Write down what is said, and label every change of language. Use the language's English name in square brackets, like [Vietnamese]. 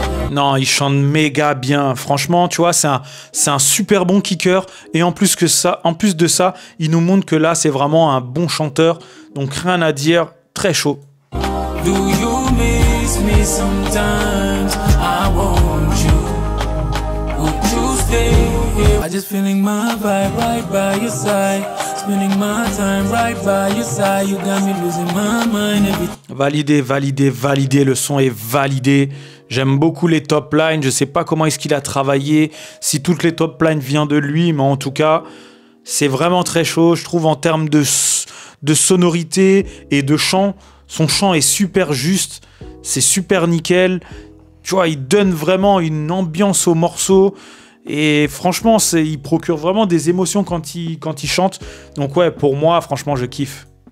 [French] Non, il chante méga bien. Franchement, tu vois, c'est un super bon kicker. Et en plus, en plus de ça, il nous montre que là, c'est vraiment un bon chanteur. Donc, rien à dire. Très chaud. [English] Do you miss me sometimes? I want you. Would you stay here? I just feeling my vibe right by your side. Spending my time right by your side. You got me losing my mind. [French] Validé, validé, validé. Le son est validé. J'aime beaucoup les top lines, je sais pas comment est-ce qu'il a travaillé, si toutes les top lines viennent de lui, mais en tout cas, c'est vraiment très chaud, je trouve, en termes de sonorité et de chant. Son chant est super juste, c'est super nickel, tu vois, il donne vraiment une ambiance au morceau, et franchement, il procure vraiment des émotions quand il chante, donc ouais, pour moi, franchement, je kiffe.